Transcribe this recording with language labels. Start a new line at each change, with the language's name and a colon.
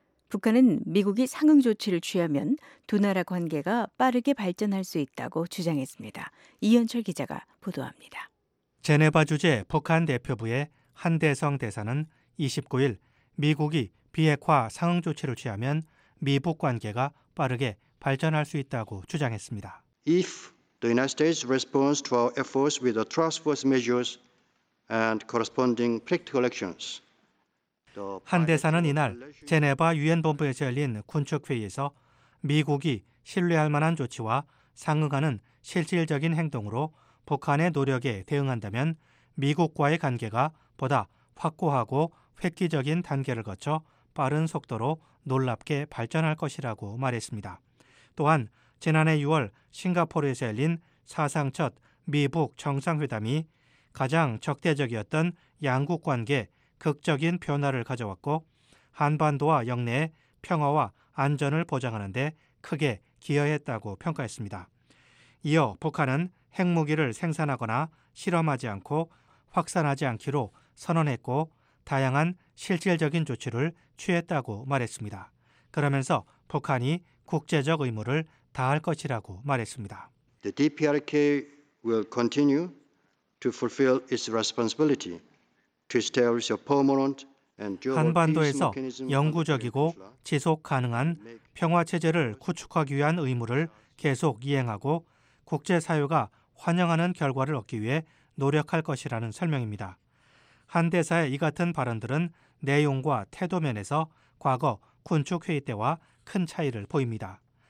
Korean: 북한은 미국이 상응 조치를 취하면 두 나라 관계가 빠르게 발전할 수 있다고 주장했습니다. 이현철 기자가 보도합니다. 제네바 주재 북한 대표부의 한대성 대사는 29일 미국이 비핵화 상응 조치를 취하면 미북 관계가 빠르게 발전할 수 있다고 주장했습니다.
English: If the United States responds to our efforts with the task force measures and corresponding practical actions.
Korean: 한 대사는 이날 제네바 유엔 본부에서 열린 군축 회의에서 미국이 신뢰할 만한 조치와 상응하는 실질적인 행동으로 북한의 노력에 대응한다면 미국과의 관계가 보다 확고하고 획기적인 단계를 거쳐 빠른 속도로 놀랍게 발전할 것이라고 말했습니다. 또한 지난해 6월 싱가포르에서 열린 사상 첫 미북 정상회담이 가장 적대적이었던 양국 관계 극적인 변화를 가져왔고 한반도와 영내의 평화와 안전을 보장하는 데 크게 기여했다고 평가했습니다. 이어 북한은 핵무기를 생산하거나 실험하지 않고 확산하지 않기로 선언했고 다양한 실질적인 조치를 취했다고 말했습니다. 그러면서 북한이 국제적 의무를 다할 것이라고 말했습니다.
English: The DPRK will continue to fulfill its responsibility to establish a permanent and durable
Korean: 한반도에서 영구적이고 지속 가능한 평화 체제를 구축하기 위한 의무를 계속 이행하고 국제 사회가 환영하는 결과를 얻기 위해 노력할 것이라는 설명입니다. 한 대사의 이 같은 발언들은 내용과 태도 면에서 과거 군축 회의 때와 큰 차이를 보입니다.